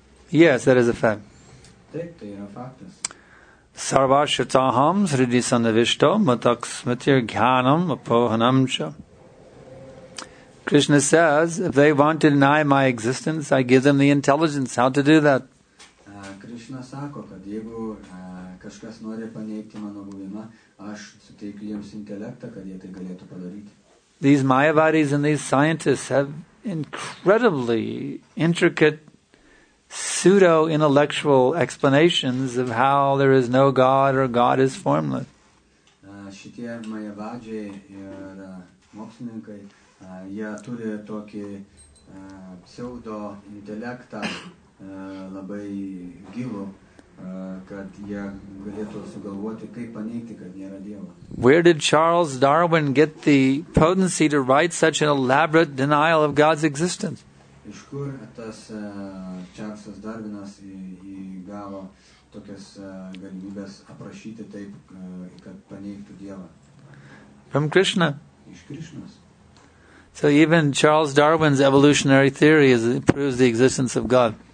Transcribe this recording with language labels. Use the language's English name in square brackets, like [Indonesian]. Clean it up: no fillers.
[English] Yes, that is a fact. [Sanskrit] Sarvashataham sridhi sannavishto matak smatir jhanam apohanam cha. [English] Krishna says, if they want to deny my existence, I give them the intelligence how to do that. [Lithuanian] Krishna sako, kad jeigu kažkas nori paneigti mano buvimą, aš suteikiu jiems intelektą, kad jie tai galėtų padaryti. [English] These Mayavadis and these scientists have incredibly intricate pseudo-intellectual explanations of how there is no God or God is formless. [Lithuanian] Šitie Mayavadžiai ir mokslininkai, jie turi tokį pseudo-intelektą labai gyvų, kad jie galėtų sugalvoti, kaip paneigti, kad nėra Dievo. [English] Where did Charles Darwin get the potency to write such an elaborate denial of God's existence? [Lithuanian] iš kur tas Čarlzas Darvinas įgavo tokias galimybės aprašyti taip, kad paneigtų Dievą. [English] From Krishna. [Lithuanian] Iš Krishnas. [English] So even Charles Darwin's evolutionary theory is, proves the existence of God.